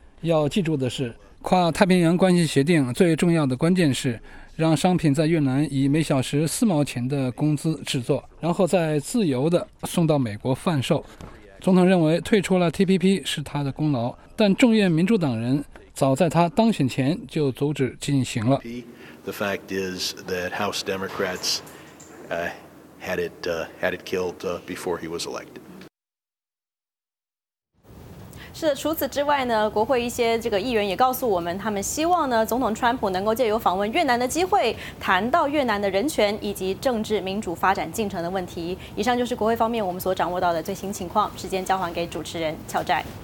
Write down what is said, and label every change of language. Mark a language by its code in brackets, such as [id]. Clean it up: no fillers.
[zh] 要记住的是，跨太平洋关系协定最重要的关键是让商品在越南以每小时4毛钱的工资制作，然后再自由地送到美国贩售。总统认为退出了 TPP 是他的功劳，但众院民主党人早在他当选前就阻止进行了。 [en] The fact is that House Democrats had it killed before he was elected. [zh] 是的，除此之外呢，国会一些这个议员也告诉我们，他们希望呢，总统川普能够借由访问越南的机会，谈到越南的人权以及政治民主发展进程的问题。以上就是国会方面我们所掌握到的最新情况。时间交还给主持人乔寨。